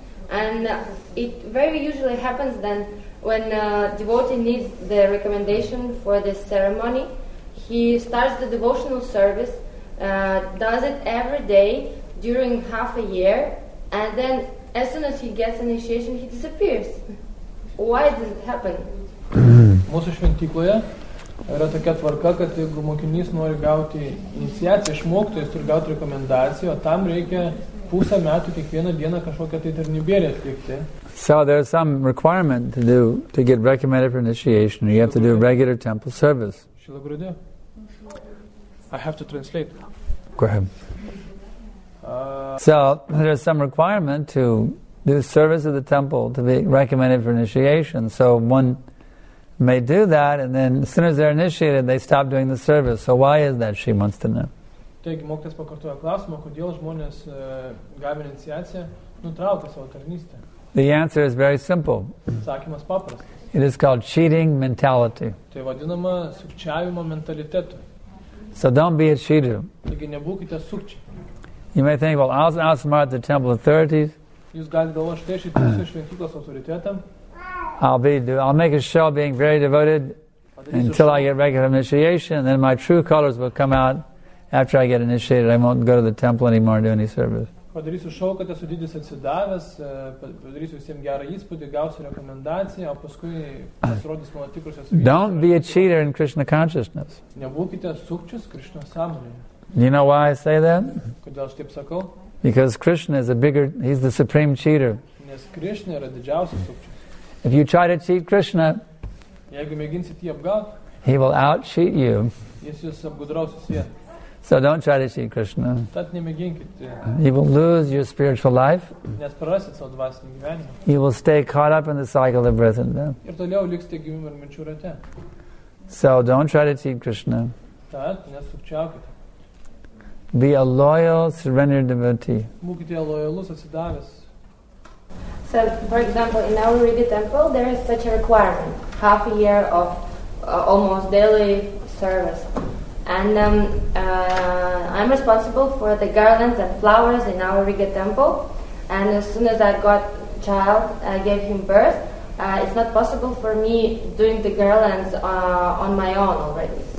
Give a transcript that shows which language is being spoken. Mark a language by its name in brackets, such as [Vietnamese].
[English] And it very usually happens then when a devotee needs the recommendation for this ceremony, he starts the devotional service, does it every day during half a year, and then as soon as he gets initiation, he disappears. Why does it happen? [Lithuanian] Mūsų šventykloje yra tokia tvarka, kad jeigu mokinys nori gauti iniciaciją iš mokytojo, jis turi gauti rekomendaciją, o tam reikia pusę metų kiekvieną dieną kažkokią tai tarnybėlį atlikti. [English] So there is some requirement to do to get recommended for initiation. You have to do a regular temple service. Shila Gurudev, I have to translate. Go ahead. So there is some requirement to do service of the temple to be recommended for initiation. So one may do that, and then as soon as they're initiated, they stop doing the service. So why is that? She wants to know. [Lithuanian] Taigi, mokytas pakartoja klausimą, kodėl žmonės gavę iniciaciją nutraukia savo tarnystę. [English] The answer is very simple. [Lithuanian] Sakymas paprastas. [English] It is called cheating mentality. [Lithuanian] Tai vadinama sukčiavimo mentalitetu. [English] So don't be a cheater. [Lithuanian] Taigi nebūkite sukčiai. [English] You may think, well, I'll smart the temple authorities. [Lithuanian] Jūs galite galvoti, štai šitas šventyklos autoritetam. [English] I'll make a show of being very devoted until I get regular initiation, and then my true colors will come out after I get initiated. I won't go to the temple anymore and do any service. [Lithuanian] Padarysiu šau, kad esu didis atsidavęs, padarysiu visiems gerą įspūdį, gausiu rekomendaciją, o paskui pasirodys mano tikrusios. [English] Don't be a cheater in Krishna consciousness. [Lithuanian] Nebūkite sukčius Krishna sąmonėje. [English] Do you know why I say that? [Lithuanian] Kodėl aš taip sakau? [English] Because Krishna is a bigger, he's the supreme cheater. [Lithuanian] Nes Krishna yra didžiausias sukčius. [English] If you try to cheat Krishna, [Lithuanian] jeigu mėginsit jį apgaut, [English] he will out-cheat you. [Lithuanian] Jis jūs apgudraus visie. [English] So don't try to cheat Krishna. [Lithuanian] Tad nemėginkit. [English] You will lose your spiritual life. [Lithuanian] Nes prarasit savo dvasinį gyvenimą. [English] You will stay caught up in the cycle of birth and death. [Lithuanian] Ir toliau liksite gyvimo ir minčių rate. [English] So don't try to cheat Krishna. [Lithuanian] Tad nesukčiaukite. [English] Be a loyal, surrendered devotee. [Lithuanian] Būkite lojalus, atsidavęs. [English] So, for example, in our Ribi temple, there is such a requirement, half a year of almost daily service. And I'm responsible for the garlands and flowers in our Riga temple. And as soon as I got a child, I gave him birth, it's not possible for me doing the garlands on my own already.